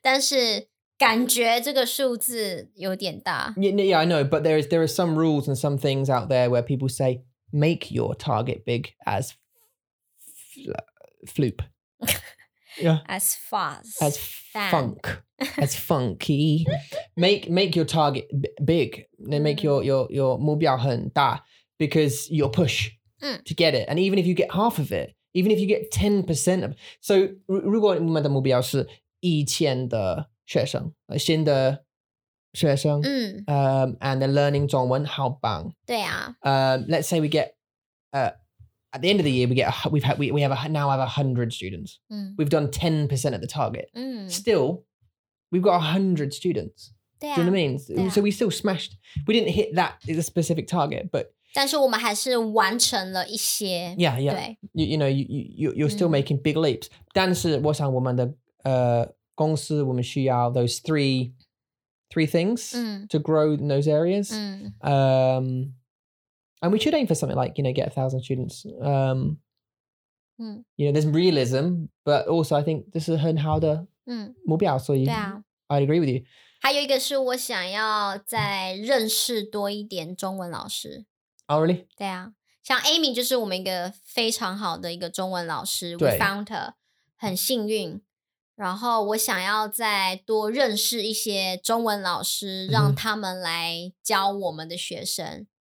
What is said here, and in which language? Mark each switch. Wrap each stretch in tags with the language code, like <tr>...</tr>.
<zh>但是感觉这个数字有点大</zh> <en>yeah, yeah I know but there are some rules and some things out there where people say make your target big as floop Yeah. As fast. As、 fan. funk. As funky. make your target big. Then make、mm-hmm. your</en> <zh>目标很大</zh> <en>because you'll push、 mm. to get it. And even if you get half of it, even if you get 10% of it.</en> <zh>So, 如果我们的目标是一千的学生新的学生、 mm.</zh> <en>And they're learning 中文</en> <zh>好棒对啊、</zh> <en>Let's say we get... At the end of the year, we have 100 students.、嗯、 we've done 10% of the target.、嗯、 still, we've got 100 students.、啊、 Do you know what I mean?、啊、 so we still smashed. We didn't hit that as a specific target, but...</en> <zh>但是我们还是完成了一些。</zh> <en>Yeah, yeah.</en> <zh>对</zh> <en>you know, you're still、嗯、making big leaps.</en> <zh>但是我想我们的、公司我们需要</zh> <en>those three things、嗯、 to grow in those areas.、嗯 And we should aim for something like, you know, get 1,000 students.、嗯、 you know, there's realism, but also I think this is</en> <zh>很好的目标、嗯、所以、啊、</zh> <en>I agree with you.</en> <zh>还有一个是我想要再认识多一点中文老师。</zh> <en>Oh, really?</en> <zh>对啊。像 Amy 就是我们一个非常好的一个中文老师。</zh> <en>We found her.</en> <zh>很幸运。然后我想要再多认识一些中文老师、嗯、让他们来教我们的学生。</zh>